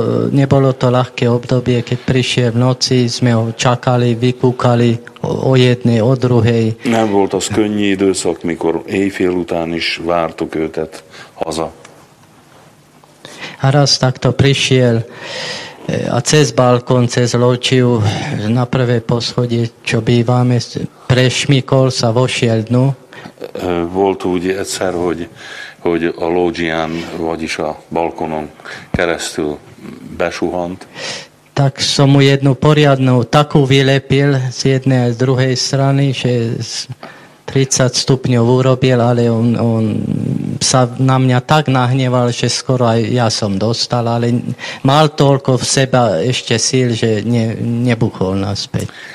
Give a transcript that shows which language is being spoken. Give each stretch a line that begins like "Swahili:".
Slovak: Nebolo to ľahké obdobie, keď prišiel v noci, sme ho čakali, vykúkali o jednej, o druhej.
Hungarian: Nem volt az könnyű időszak, mikor éjfél után is vártuk őtet haza.
Slovak: A raz takto prišiel a cez balkón, cez ločiu, na prvé poschodie, čo bývame, prešmikol sa vošiel dnu.
Hungarian: Volt úgy egyszer, hogy a lódzsián, vagyis a balkonon keresztül besuhant.
Slovak: Tak som mu jednu poriadnú takú vylepil z jednej a z druhej strany, že 30 stupňov urobil, ale on sa na mňa tak nahneval, že skoro aj ja som dostal, ale mal toľko v seba ešte síl, že nebuchol naspäť.